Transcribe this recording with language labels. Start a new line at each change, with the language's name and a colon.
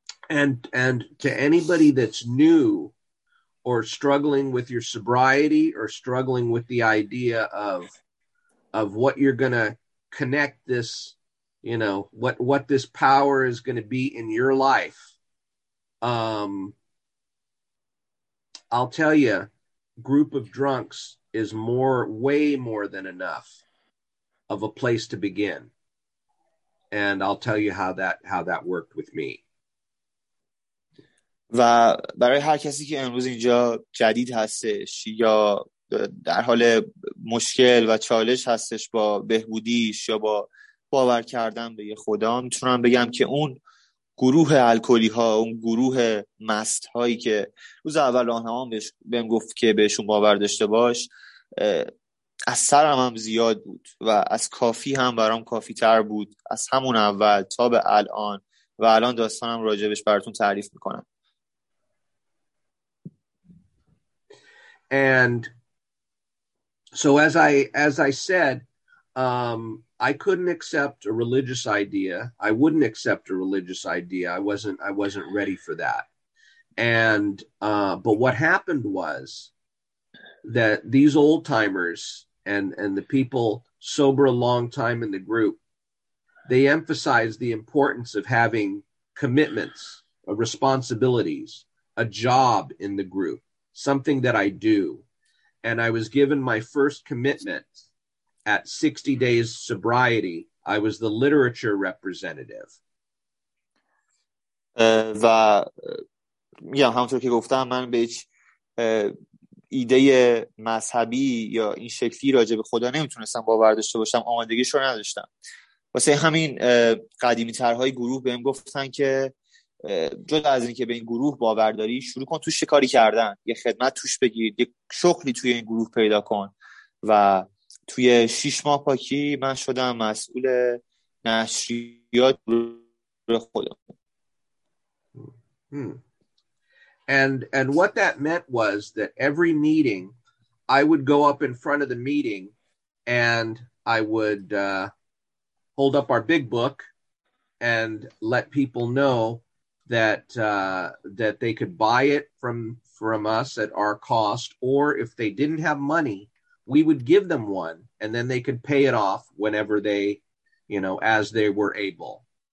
English: And to anybody that's new or struggling with your sobriety or struggling with the idea of what you're going to connect this, you know, what this power is going to be in your life, I'll tell you, group of drunks is more, way more than enough of a place to begin. And I'll tell you how that worked with me.
Persian: و برای هر کسی که امروز اینجا جدید هستش یا در حال مشکل و چالش هستش با بهبودیش یا با باور کردن به یه خدا، میتونم بگم که اون گروه الکلی ها، اون گروه مست هایی که روز اول راهنما بهم گفت که بهشون باور داشته باش، از سرم هم زیاد بود و از کافی هم برام کافی تر بود از همون اول تا به الان، و الان داستانم راجبش براتون تعریف میکنم.
English: And so as I said, I couldn't accept a religious idea. I wouldn't accept a religious idea. I wasn't ready for that. And but what happened was that these old timers and the people sober a long time in the group, they emphasized the importance of having commitments, responsibilities, a job in the group. Something that I do. And I was given my first commitment at 60 days sobriety. I was the literature representative.
Persian: و میگم همونطور که گفتم، من به هیچ ایده مذهبی یا این شکلی راجع به خدا نمیتونستم باور داشته باشم، آمادگیش رو نداشتم. واسه همین قدیمی ترهای گروه بهم گفتن که جدا از این که به این گروه باورداری، شروع کن توش شکاری کردن، یه خدمت توش بگیر، یه شغلی توی این گروه پیدا کن. و توی 6 ماه پاکی من شدم مسئول نشریات گروه خودم.
English: And what that meant was that every meeting I would go up in front of the meeting and I would hold up our big book and let people know that they could buy it from us at our cost, or if they didn't have money, we would give them one, and then they could pay it off whenever they, you know, as they were able.